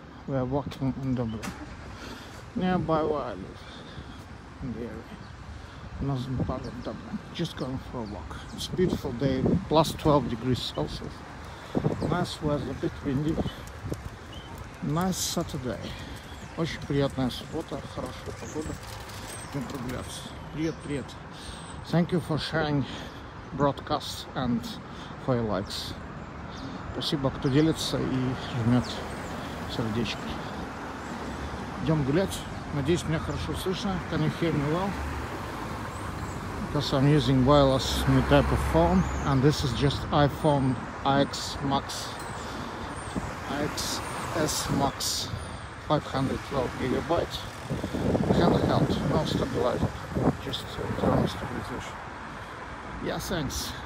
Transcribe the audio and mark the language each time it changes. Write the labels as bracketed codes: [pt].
[en] We are walking in the blue. Nearby Wales, in the area, northern part of Dublin, just going for a walk. It's a beautiful day, plus 12 degrees Celsius. Nice weather, a bit windy. Nice Saturday. [ru] Очень приятная суббота, хорошая погода. Идем прогуляться. Привет, привет. [en] Thank you for sharing broadcast and for your likes. [ru] Спасибо, кто делится и жмет сердечко. Идем гулять. Надеюсь, меня хорошо слышно. [en] Can you hear me well? Because I'm using wireless new type of phone. And this is just iPhone iX Max. iXS Max. 512 GB. Handheld. No stabilizer. Just thermal stabilization. Yeah, thanks.